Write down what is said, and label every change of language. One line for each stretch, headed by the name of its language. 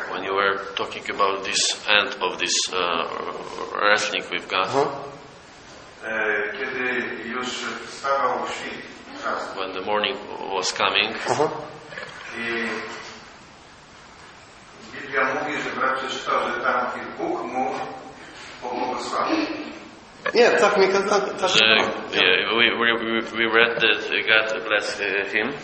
English: When you were talking about this end of this wrestling with God.
Polish: Kiedy już wstawał świt czas.
English: When the morning was coming.
Polish: I Biblia mówi, że brat przeczytał, że tam Bóg mu pomógł. Yeah, tak mi kazał. Tak, tak,
English: we read that God bless him.